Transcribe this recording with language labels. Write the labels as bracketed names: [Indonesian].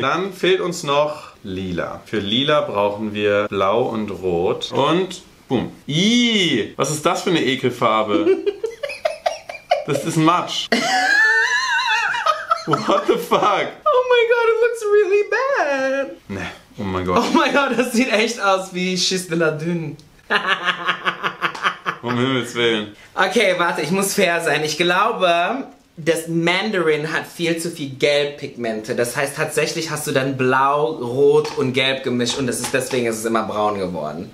[German] Dann fehlt uns noch Lila. Für Lila brauchen wir Blau und Rot. Und boom. Ihh, was ist das für eine Ekelfarbe? Das ist Matsch. [English] What the fuck? Oh my god, it looks really bad. Ne, oh my god. Oh my god, [German] das sieht echt aus wie Schiss de la Dune. Um Himmels Willen. Okay, warte, ich muss fair sein. Ich glaube, das Mandarin hat viel zu viel Gelbpigmente. Das heißt, tatsächlich hast du dann Blau, Rot und Gelb gemischt und das ist, deswegen ist es immer braun geworden.